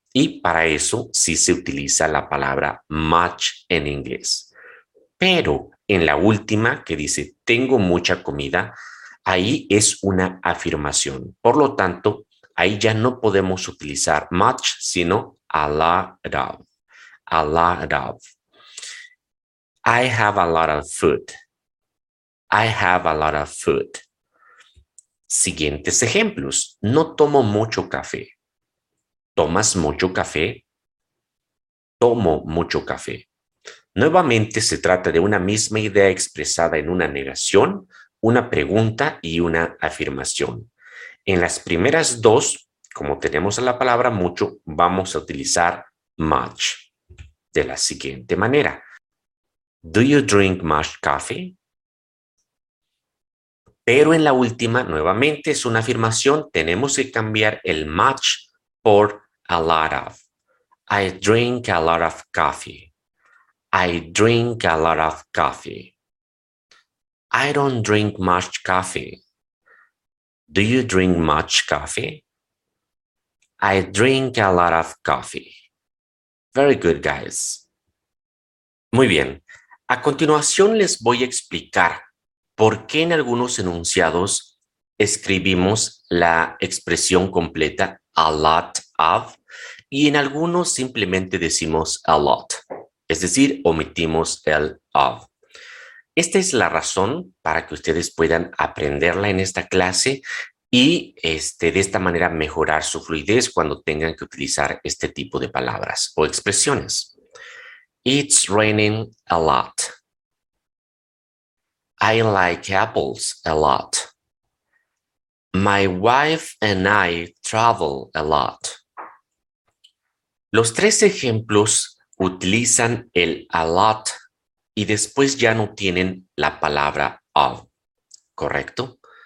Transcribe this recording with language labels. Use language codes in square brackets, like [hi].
[es] Y para eso sí se utiliza la palabra much en inglés. Pero en la última, que dice tengo mucha comida, ahí es una afirmación. Por lo tanto, ahí ya no podemos utilizar much, sino a lot of. [en] A lot of. I have a lot of food. I have a lot of food. [es] Siguientes ejemplos. No tomo mucho café. ¿Tomas mucho café? Tomo mucho café. Nuevamente se trata de una misma idea expresada en una negación, una pregunta y una afirmación. En las primeras dos, como tenemos la palabra mucho, vamos a utilizar much de la siguiente manera. [en] Do you drink much coffee? [es] Pero en la última, nuevamente es una afirmación, tenemos que cambiar el much por a lot of. [en] I drink a lot of coffee. I drink a lot of coffee. I don't drink much coffee. Do you drink much coffee? I drink a lot of coffee. Very good, guys. [es] Muy bien. A continuación les voy a explicar por qué en algunos enunciados escribimos la expresión completa a lot of y en algunos simplemente decimos a lot, es decir, omitimos el of. Esta es la razón para que ustedes puedan aprenderla en esta clase y de esta manera mejorar su fluidez cuando tengan que utilizar este tipo de palabras o expresiones. [en] It's raining a lot. I like apples a lot. My wife and I travel a lot. [es] Los tres ejemplos utilizan el a lot y después ya no tienen la palabra of, ¿correcto?